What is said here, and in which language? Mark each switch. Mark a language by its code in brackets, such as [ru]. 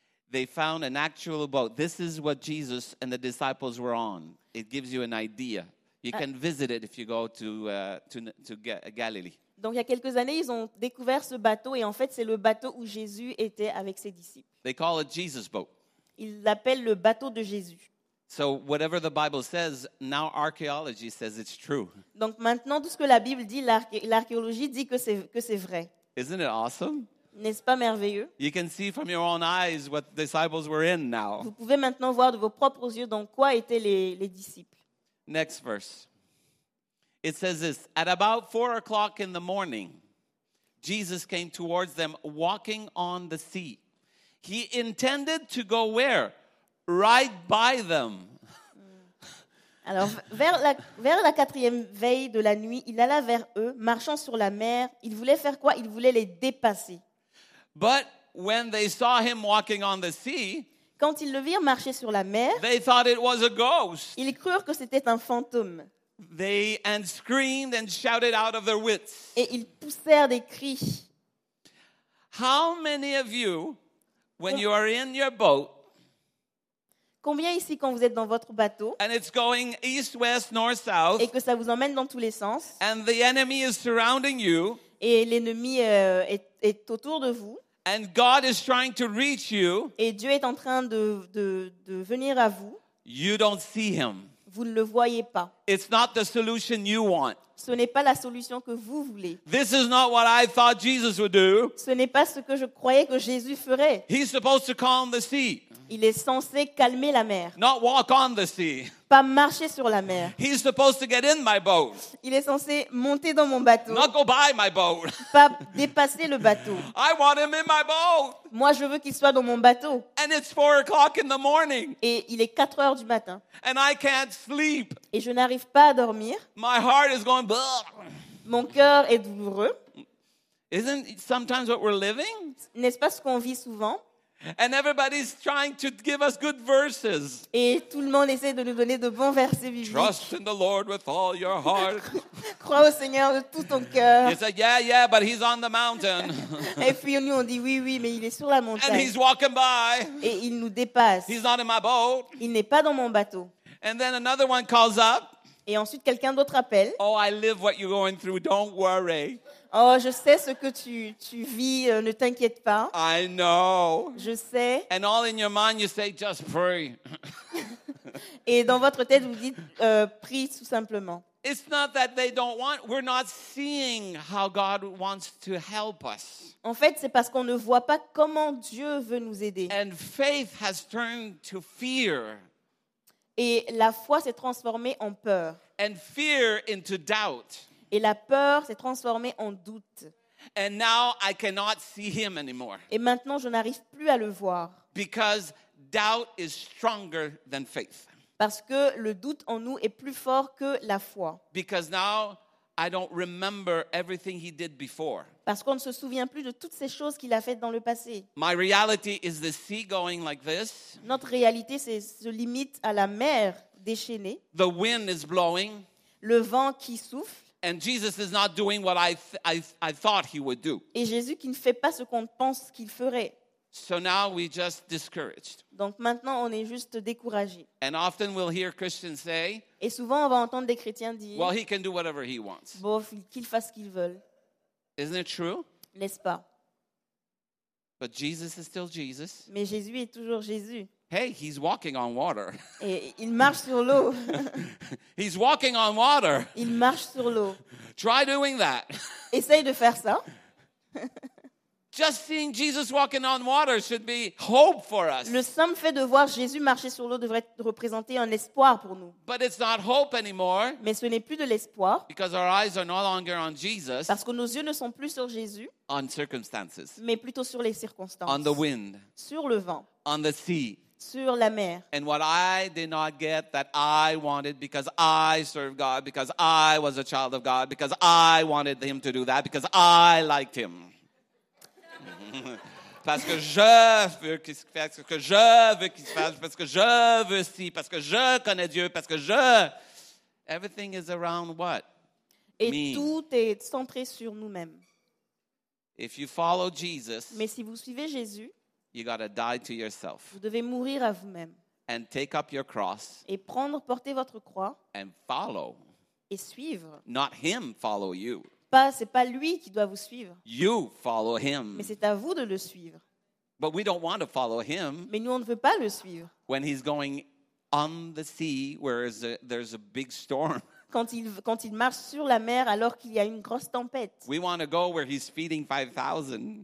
[en] They found an actual boat. This is what Jesus and the disciples were on. It gives you an idea. You can visit it if you go to Galilee. [fr] Donc il y a quelques années, ils ont découvert ce bateau et en fait, c'est le bateau où Jésus était avec ses disciples. [en] They call it Jesus boat. [fr] Ils l'appellent le bateau de Jésus. [en] So whatever the Bible says, now archaeology says it's true. [fr] Donc maintenant tout ce que la Bible dit, l'archéologie dit que c'est vrai. [en] Isn't it awesome? [fr] N'est-ce pas merveilleux? [en] You can see from your own eyes what the disciples were in now. [fr] Vous pouvez maintenant voir de vos propres yeux dans quoi étaient les disciples. [en] Next verse. It says this, at about 4:00 in the morning, Jesus came towards them walking on the sea. He intended to go where? Right by them. [fr] Alors, vers la quatrième veille de la nuit, il alla vers eux, marchant sur la mer. Il voulait faire quoi? Il voulait les dépasser. [en] But when they saw him walking on the sea, [fr] quand ils le virent marcher sur la mer, [en] they thought it was a ghost. [fr] Ils crurent que c'était un fantôme. [en] They and screamed and shouted out of their wits. [fr] Et ils poussèrent des cris. [en] How many of you, when you are in your boat, [fr] combien ici quand vous êtes dans votre bateau, [en] and it's going east, west, north, south, [fr] et que ça vous emmène dans tous les sens, [en] and the enemy is surrounding you, [fr] et l'ennemi est autour de vous, [en] and God is trying to reach you, [fr] et Dieu est en train de venir à vous, [en] you don't see him. [fr] Vous ne le voyez pas. [en] It's not the solution you want. [fr] Ce n'est pas la solution que vous voulez. [en] This is not what I thought Jesus would do. [fr] Ce n'est pas ce que je croyais que Jésus ferait. [en] He's supposed to calm the sea. [fr] Il est censé calmer la mer. [en] Not walk on the sea. [fr] Pas marcher sur la mer. [en] He's supposed to get in my boat. [fr] Il est censé monter dans mon bateau. [en] Not go by my boat. [fr] Pas dépasser le bateau. [en] I want him in my boat. [fr] Moi, je veux qu'il soit dans mon bateau. [en] And it's 4 o'clock in the morning. [fr] Et il est 4 heures du matin. [en] And I can't sleep. [fr] Et je n'arrive pas à dormir. [en] My heart is going, bah. [fr] Mon cœur est douloureux. [en] Isn't sometimes what we're living? [fr] N'est-ce pas ce qu'on vit souvent? [en] And everybody's trying to give us good verses. [fr] Et tout le monde essaie de nous donner de bons versets bibliques. [en] Trust in the Lord with all your heart. [fr] Crois au Seigneur de tout ton cœur. [en] You say, yeah, yeah, but he's on the mountain. [fr] Et puis nous on dit oui, oui, mais il est sur la montagne. [en] And he's walking by. [fr] Et il nous dépasse. [en] He's not in my boat. [fr] Il n'est pas dans mon bateau. [en] And then another one calls up. [fr] Et ensuite quelqu'un d'autre appelle. [en] Oh, I live what you're going through. Don't worry. [fr] Oh, je sais ce que tu vis, ne t'inquiète pas. [en] I know. [fr] Je sais. [en] And all in your mind, you say, just pray. [fr] Et dans votre tête, vous dites, prie tout simplement. [en] It's not that they don't want, we're not seeing how God wants to help us. [fr] En fait, c'est parce qu'on ne voit pas comment Dieu veut nous aider. [en] And faith has turned to fear. [fr] Et la foi s'est transformée en peur. [en] And fear into doubt. [fr] Et la peur s'est transformée en doute. [en] And now I cannot see him anymore. [fr] Et maintenant, je n'arrive plus à le voir. [en] Because doubt is stronger than faith. [fr] Parce que le doute en nous est plus fort que la foi. [en] Because now I don't remember everything he did before. [fr] Parce qu'on ne se souvient plus de toutes ces choses qu'il a faites dans le passé. [en] My reality is the sea going like this. [fr] Notre réalité se limite à la mer déchaînée. [en] The wind is blowing. [fr] Le vent qui souffle. [en] And Jesus is not doing what I thought he would do. [fr] Et Jésus qui ne fait pas ce qu'on pense qu'il ferait. [en] So now we're just discouraged. [fr] Donc maintenant on est juste découragé. [en] And often we'll hear Christians say. [fr] Et souvent on va entendre des chrétiens dire. [en] Well, he can do whatever he wants. [fr] Bon, qu'il fasse ce qu'il veut. [en] Isn't it true? [fr] N'est-ce pas? [en] But Jesus is still Jesus. [fr] Mais Jésus est toujours Jésus. [en] Hey, he's walking on water. [fr] Et il marche sur l'eau. [en] He's walking on water. [fr] Il marche sur l'eau. [en] Try doing that. [fr] Essaye de faire ça. [en] Just seeing Jesus walking on water should be hope for us. [fr] Le simple fait de voir Jésus marcher sur l'eau devrait représenter un espoir pour nous. [en] But it's not hope anymore. [fr] Mais ce n'est plus de l'espoir. [en] Because our eyes are no longer on Jesus. [fr] Parce que nos yeux ne sont plus sur Jésus. [en] On circumstances. [fr] Mais plutôt sur les circonstances. [en] On the wind. [fr] Sur le vent. [en] On the sea. [fr] Sur la mer. [en] And what I did not get that I wanted because I serve God, because I was a child of God, because I wanted him to do that, because I liked him. [fr] Parce que je veux qu'il se fasse, parce que je veux qu'il se fasse, parce que je veux si, parce que je connais Dieu, parce que je... [en] Everything is around what? [fr] Et me. Tout est centré sur nous-mêmes. [en] If you follow Jesus, [fr] mais si vous suivez Jésus, [en] you gotta die to yourself. [fr] Vous devez mourir à vous-même. [en] And take up your cross. [fr] Et prendre, porter votre croix. [en] And follow. [fr] Et suivre. [en] Not him follow you. [fr] Pas, c'est pas lui qui doit vous suivre. [en] You follow him. [fr] Mais c'est à vous de le suivre. [en] But we don't want to follow him. [fr] Mais nous on ne veut pas le suivre. [en] When he's going on the sea, where there's a big storm. [fr] Quand il marche sur la mer alors qu'il y a une grosse tempête. [en] We want to go where he's feeding 5,000.